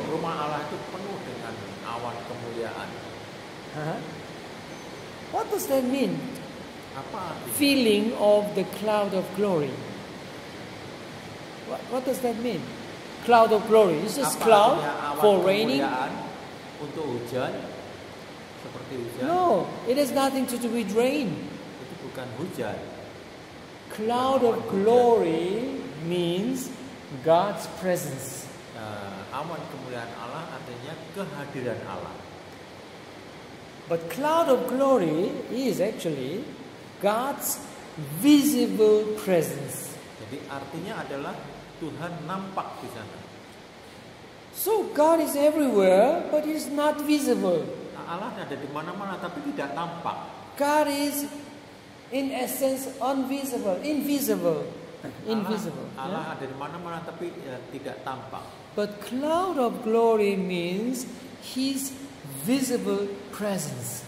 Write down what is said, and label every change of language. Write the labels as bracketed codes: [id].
[id] Rumah Allah itu penuh dengan awan kemuliaan. [en] What does that mean? [id] Apa arti? [en] Filling of the cloud of glory. What does that mean? Cloud of glory. Is this cloud for raining? [id] Untuk hujan, seperti hujan. [en] No, it has nothing to do with rain. [id] Itu bukan hujan. [en] cloud of glory means God's presence. [id] Awan kemuliaan Allah artinya kehadiran Allah. [en] But cloud of glory is actually God's visible presence. [id] Jadi artinya adalah Tuhan nampak di sana. [en] So God is everywhere, but He's not visible. [id] Allah ada di mana-mana tapi tidak tampak. [en] God is in essence invisible, invisible, invisible. [id] Allah ada di mana-mana tapi tidak tampak. [en] But cloud of glory means His visible presence.